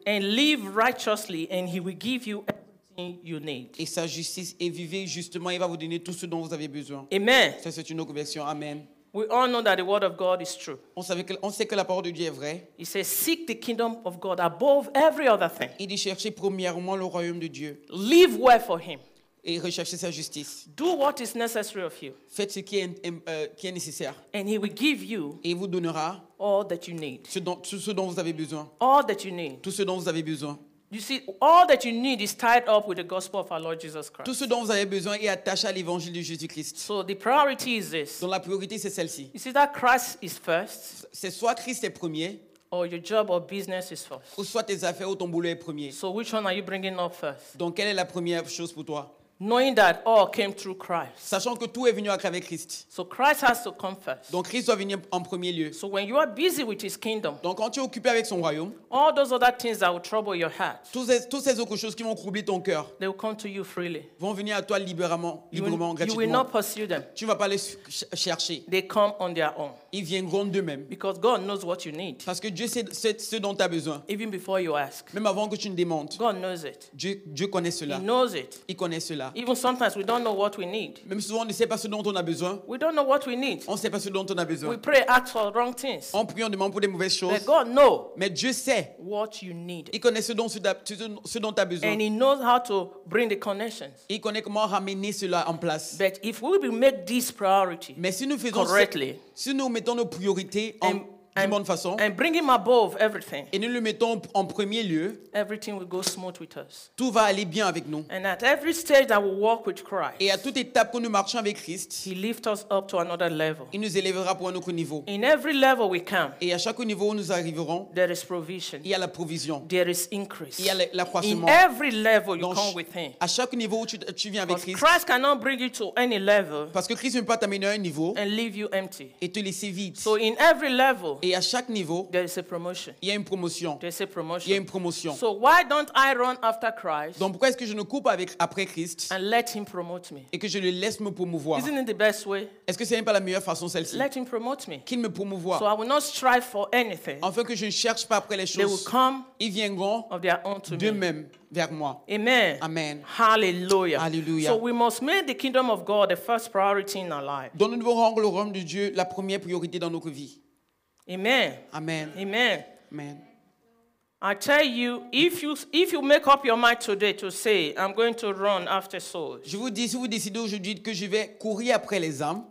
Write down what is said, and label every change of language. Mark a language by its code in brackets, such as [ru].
[en] And live righteously, and He will give you everything you need. [fr] Et sa justice et vivez justement, il va vous donner tout ce dont vous avez besoin. [en] Amen. [fr] Ça c'est une autre version. Amen. [en] We all know that the word of God is true. [fr] On sait que la parole de Dieu est vraie. [en] He says, seek the kingdom of God above every other thing. [fr] Il dit cherchez premièrement le royaume de Dieu. [en] Live well for Him. [fr] Et rechercher sa justice. [en] Do what is necessary of you. [fr] Faites ce qui est nécessaire. [en] And He will give you. [fr] Et il vous donnera. [en] All that you need. [fr] Tout ce dont vous avez besoin. [en] All that you need. [fr] Tout ce dont vous avez besoin. [en] You see, all that you need is tied up with the gospel of our Lord Jesus Christ. [fr] Tout ce dont vous avez besoin est attaché à l'évangile de Jésus-Christ. [en] So the priority is this. [fr] Donc la priorité c'est celle-ci. [en] You see that Christ is first. [fr] C'est soit Christ est premier. [en] Or your job or business is first. [fr] Ou soit tes affaires ou ton boulot est premier. [en] So which one are you bringing up first? [fr] Donc quelle est la première chose pour toi? [en] Knowing that all came through Christ. [fr] Sachant que tout est venu à travers Christ. [en] So Christ has to come first. [fr] Donc Christ doit venir en premier lieu. [en] So when you are busy with His kingdom. [fr] Donc quand tu es occupé avec son royaume. [en] All those other things that will trouble your heart. [fr] Toutes ces autres choses qui vont troubler ton cœur. [en] They will come to you freely. [fr] Vont venir à toi librement, gratuitement. [en] You will not pursue them. [fr] Tu ne vas pas les chercher. [en] They come on their own. [fr] Ils viendront d'eux-mêmes. [en] Because God knows what you need. [fr] Parce que Dieu sait ce dont tu as besoin. [en] Even before you ask. [fr] Même avant que tu ne demandes. [en] God knows it. [fr] Dieu connaît cela. [en] He knows it. [fr] Il connaît cela. [en] Even sometimes we don't know what we need. [fr] Même souvent on ne sait pas ce dont on a besoin. [en] We don't know what we need. [fr] On sait pas ce dont on a besoin. [en] We pray, ask for wrong things. [fr] On prie, on demande pour des mauvaises choses. [en] But God knows. [fr] Mais Dieu sait. [en] What you need. [fr] Il connaît ce dont tu as besoin. [en] And He knows how to bring the connections. [fr] Il connaît comment ramener cela en place. [en] But if we will make this priority. [fr] Mais si nous faisons [en] correctly. [fr] Si nous mettons nos priorités en bonne façon. [en] And bring Him above everything. [fr] Et nous le mettons en premier lieu. [en] Everything will go smooth with us. [fr] Tout va aller bien avec nous. [en] And at every stage that we walk with Christ. [fr] Et à toute étape que nous marchons avec Christ. [en] He lifts us up to another level. [fr] Il nous élèvera pour un autre niveau. [en] In every level we come. [fr] Et à chaque niveau où nous arriverons. [en] There is provision. [fr] Il y a la provision. [en] There is increase. [fr] Il y a l'accroissement. [en] In every level you come with Him. [fr] À chaque niveau où tu viens avec Christ. [en] Christ cannot bring you to any level. [fr] Parce que Christ ne peut pas t'amener à un niveau. [en] And leave you empty. [fr] Et te laisser vide. [en] So in every level. [fr] Et à chaque niveau, [en] there is a promotion. [fr] Il y a une promotion. [en] There is a promotion. [fr] Il y a une promotion. [en] So why don't I run after Christ? [fr] Donc pourquoi est-ce que je ne cours pas après Christ? [en] And let Him promote me. [fr] Et que je le laisse me promouvoir. [en] Isn't it the best way? [fr] Est-ce que ce n'est pas la meilleure façon celle-ci? [en] Let Him promote me. [fr] Qu'il me promouvoie. [en] So I will not strive for anything. [fr] Afin que je ne cherche pas après les choses. [en] They will come. [fr] Ils viendront [en] of their own to me. [fr] D'eux-mêmes vers moi. [en] Amen. [fr] Amen. [en] Hallelujah. [fr] Hallelujah. [en] So we must make the kingdom of God the first priority in our life. [fr] Donc nous devons rendre le royaume de Dieu la première priorité dans notre vie. [en] Amen. [fr] Amen. [en] Amen. [fr] Amen. [en] I tell you, if you make up your mind today to say, I'm going to run after souls. [fr] Je vous dis, si vous décidez aujourd'hui que je vais courir après les âmes.